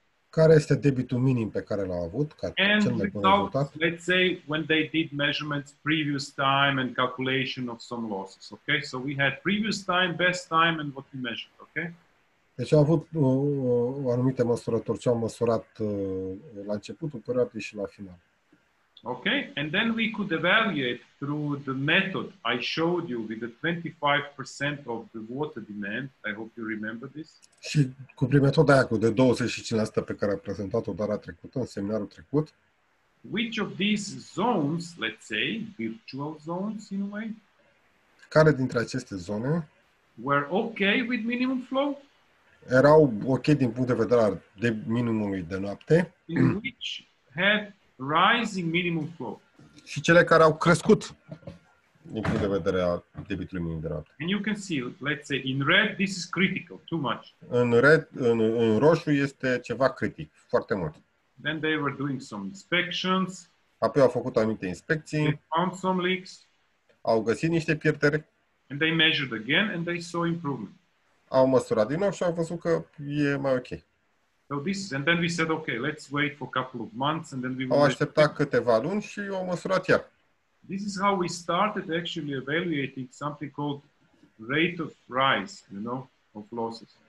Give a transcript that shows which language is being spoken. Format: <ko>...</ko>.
<ro>Care este debitul minim pe care l-au avut ca</ro> <en>and</en> <ro>cel mai bun rezultat?</ro> <en>Let's say when they did measurements previous time and calculation of some losses. Okay, so we had previous time, best time, and what we measured. Okay.</en> <ro>Deci au avut anumite măsurători ce au măsurat la începutul perioadei și la final.</ro> <en>Okay, and then we could evaluate through the method I showed you with the 25% of the water demand. I hope you remember this.</en> <ro>Și cu metoda aia cu de 25% pe care a prezentat-o data trecută, în seminarul trecut.</ro> <en>Which of these zones, let's say, virtual zones in a way?</en> <ro>Care dintre aceste zone</ro> <en>were okay with minimum flow?</en> <ro>Erau ok din punct de vedere al de minimului de noapte.</ro> <en>Which had rising minimum flow.</en> <ro>Și cele care au crescut din punct de vedere al debitului minim de noapte.</ro> <en>And you can see, let's say, in red, this is critical, too much.</en> <ro>În red, în roșu este ceva critic, foarte mult.</ro> <en>Then they were doing some inspections.</en> <ro>Apoi au făcut anumite inspecții.</ro> <en>They found some leaks.</en> <ro>Au găsit niște pierderi.</ro> <en>And they measured again and they saw improvement.</en> <ro>Au măsurat din nou și au văzut că e mai ok.</ro> <en>So this is, and then we said okay, let's wait for a couple of months and then we will.</en> <ro>Au așteptat câteva luni și au măsurat iar.</ro> <en>This is how we started actually evaluating something called rate of rise, you know, of losses.</en>